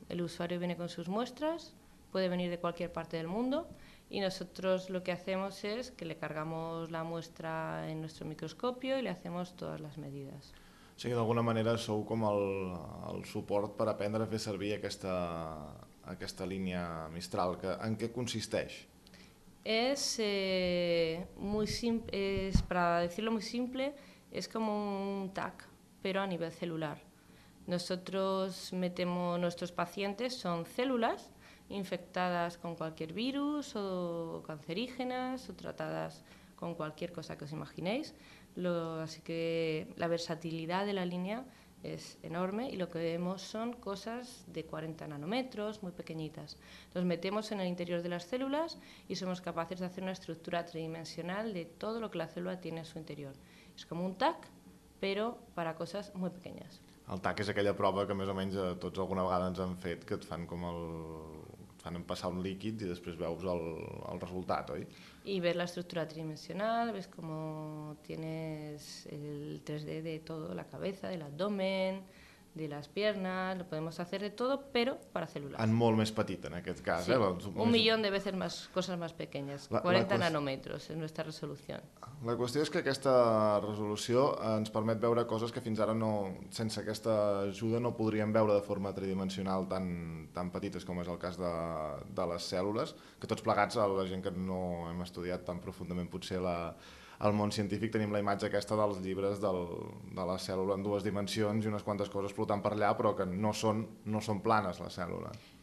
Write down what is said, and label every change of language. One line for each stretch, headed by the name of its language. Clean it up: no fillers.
Spanish: El usuario viene con sus muestras, puede venir de cualquier parte del mundo, y nosotros lo que hacemos es que le cargamos la muestra en nuestro microscopio y le hacemos todas las medidas.
Catalan: O sigui, d'alguna manera sou com el suport per aprendre a fer servir aquesta línia Mistral. En què consisteix?
Spanish: Es muy simple, para decirlo muy simple, es como un TAC, pero a nivel celular. Nosotros metemos, nuestros pacientes son células infectadas con cualquier virus o cancerígenas o tratadas con cualquier cosa que os imaginéis. Así que la versatilidad de la línea es enorme y lo que vemos son cosas de 40 nanómetros, muy pequeñitas. Nos metemos en el interior de las células y somos capaces de hacer una estructura tridimensional de todo lo que la célula tiene en su interior. Es como un TAC, pero para cosas muy pequeñas.
Catalan: El TAC és aquella prova que més o menys tots alguna vegada ens han fet, que et fan com el... et fan passar un líquid i després veus el resultat, oi?
Spanish: I ves la estructura tridimensional, ves com tienes el 3D de todo, la cabeza, de l'abdomen, de las piernas, lo podemos hacer de todo, pero para células.
Catalan: En molt més petit, en aquest cas. Sí.
Spanish: Un milió de veces más, cosas más pequeñas. 40 nanómetros es nuestra resolución.
Catalan: La qüestió és que aquesta resolució ens permet veure coses que fins ara no, sense aquesta ajuda no podríem veure de forma tridimensional tan petites com és el cas de les cèl·lules, que tots plegats, la gent que no hem estudiat tan profundament potser al món científic tenim la imatge aquesta dels llibres de la cèl·lula en dues dimensions i unes quantes coses flotant per allà, però que no són planes les cèl·lules.